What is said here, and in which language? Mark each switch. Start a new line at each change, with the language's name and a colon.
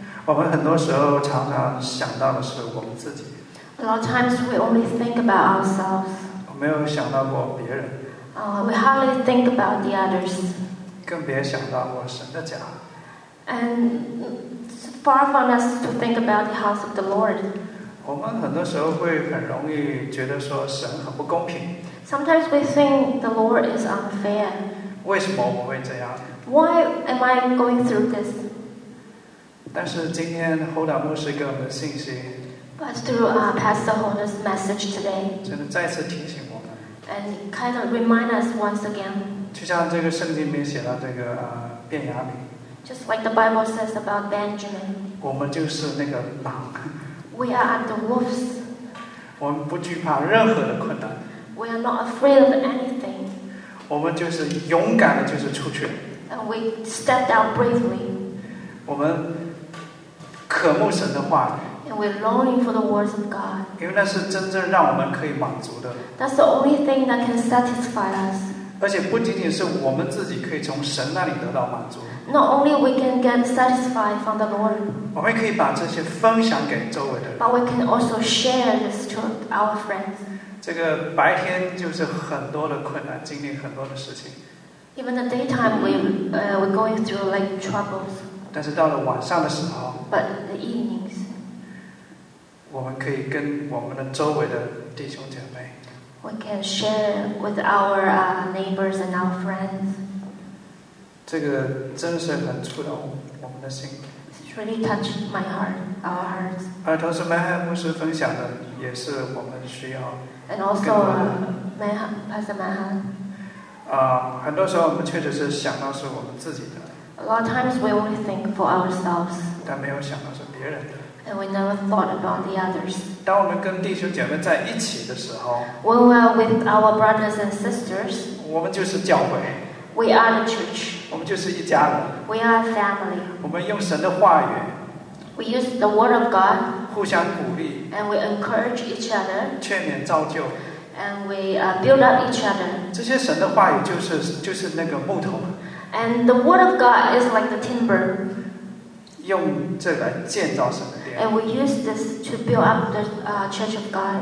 Chinese: 我们很多时候常常想到的是我们自己。
English: A lot of times we only think about ourselves.
Chinese: 我没有想到过别人。
English: We hardly think about the others.
Chinese: 更别想到过神的家。
English: And far from us to think about the house of the Lord.
Chinese: 我们很多时候会很容易觉得说神很不公平。
English: Sometimes we think the Lord is unfair.
Chinese: 为什么我会这样？
English: Why am I going through this?
Chinese: 但是今天 Hoda 牧师给我们的信息
English: But through Pastor Hoda's message today
Chinese: 真的再次提醒我们
English: And kind of remind us once again
Chinese: 就像这个圣经里面写到这个便雅悯
English: Just like the Bible says about Benjamin
Chinese: 我们就是那个狼
English: We are the wolves
Chinese: 我们不惧怕任何的困难
English: We are not afraid of anything
Chinese: 我们就是勇敢的就是出去
English: And we stepped out bravely.
Chinese: 我们渴慕神的话语。
English: And we're longing for the words of God.
Chinese: 因为那是真正让我们可以满足的。
English: That's the only thing that can satisfy us.
Chinese: 而且不仅仅是我们自己可以从神那里得到满足。
English: Not only we can get satisfied from the Lord.
Chinese: 我们可以把这些分享给周围的人。
English: But we can also share this to our friends.
Chinese: 这个白天就是很多的困难，经历很多的事情。
English: Even the daytime, we're going through like troubles.
Chinese: 但是到了晚上的时候
English: But the evenings,
Chinese: 我们可以跟我们的周围的弟兄姐妹
English: We can share with our neighbors and our friends.
Chinese: 这个真是很触动我们的心
English: It's really touched my heart, our hearts.
Chinese: 而同时 Manhan 牧师分享的也是我们需要
English: And also Pastor Manhan.
Chinese: 很多时候我们确实是想到是我们自己的
English: A lot of times we only think for ourselves
Chinese: 但没有想到是别人的
English: And we never thought about the others
Chinese: 当我们跟弟兄姐妹在一起的时候
English: When we are with our brothers and sisters
Chinese: 我们就是教会
English: We are the church
Chinese: 我们就是一家人
English: We are a family
Chinese: 我们用神的话语
English: We use the word of God
Chinese: 互相鼓励
English: And we encourage each other
Chinese: 劝勉造就
English: And we build up each other.
Chinese: 这些神的话语就是那个木头。
English: And the word of God is like the timber.
Chinese: 用这个建造神的殿。
English: And we use this to build up the church of God.